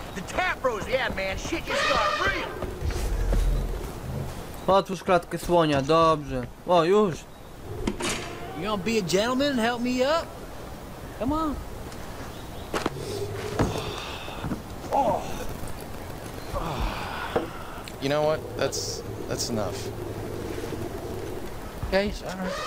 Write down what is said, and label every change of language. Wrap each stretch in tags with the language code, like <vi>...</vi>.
<en>The tap rose, yeah man, shit just got real.</en> <pl>Otwórz klatkę słonia, dobrze. O, już.</pl> <en>You gonna be a gentleman and help me up? Come on. You know what? That's enough. Okay, sorry.</en>